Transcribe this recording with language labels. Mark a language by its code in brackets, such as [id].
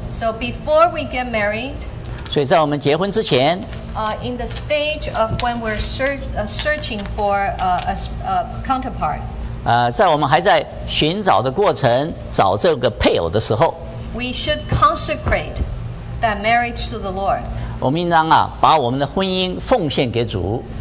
[en] So before we get married. [zh] 所以在我们结婚之前。 [en] In the stage of when we're searching for a counterpart. [zh] 在我们还在寻找的过程，找这个配偶的时候。 [en] We should consecrate that marriage to the Lord. [zh] 我们应当把我们的婚姻奉献给主。